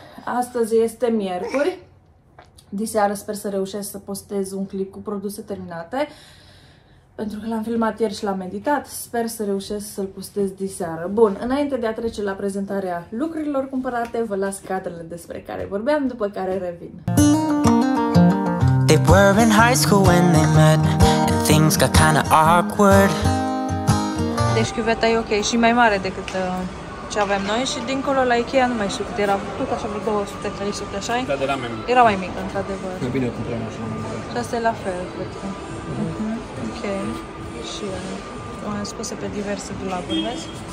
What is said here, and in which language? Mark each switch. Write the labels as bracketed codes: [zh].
[ro] Astăzi este miercuri. Diseară sper să reușesc să postez un clip cu produse terminate, pentru că l-am filmat ieri și l-am editat, sper să reușesc să-l postez diseară. Bun, înainte de a trece la prezentarea lucrurilor cumpărate, vă las cadrele despre care vorbeam, după care revin. [en] They were in high school when they met and things got kinda awkward. [ro] Deci chiuveta e ok, și mai mare decât ce avem noi și dincolo la Ikea nu mai știu cât era, tot așa vreo 200-300, așa-i? Da, de la mine. Era mai mic, într-adevăr. Mai bine cumpărăm așa. Și asta e la fel, cred că. Ok, și eu am spus pe diverse dulapuri, vezi?